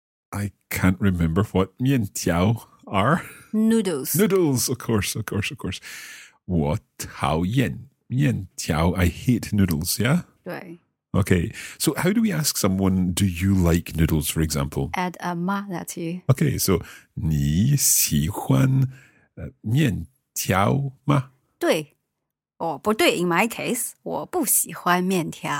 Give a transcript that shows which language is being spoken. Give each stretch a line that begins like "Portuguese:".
English: I can't remember what 面条 are. Noodles. Noodles, of course.
Chinese: 我讨厌面条.
English: I hate noodles, yeah?
Chinese: 对.
English: Okay, so how do we ask someone, do you like noodles, for example? Add a 妈, that's you.
Chinese: Okay, so 你喜欢面条吗? 对. Oh, 不对,
English: in my case,
Chinese: 我不喜欢面条.